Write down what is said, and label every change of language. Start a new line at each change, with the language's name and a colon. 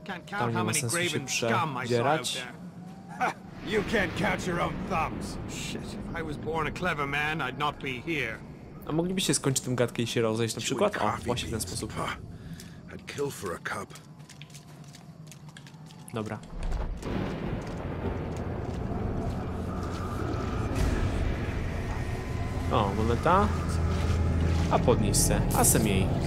Polish: Tam nie ma sensu się przedzierać.
English: You can't count your own thumbs. Shit, if I was born a clever man, I'd not be here.
Polish: A moglibyście skończyć tę gadkę i się rozejść na przykład? O, właśnie w ten sposób.
English: I'd kill for a cup.
Polish: Dobra. O, moneta. A podnieś se, a sem jej.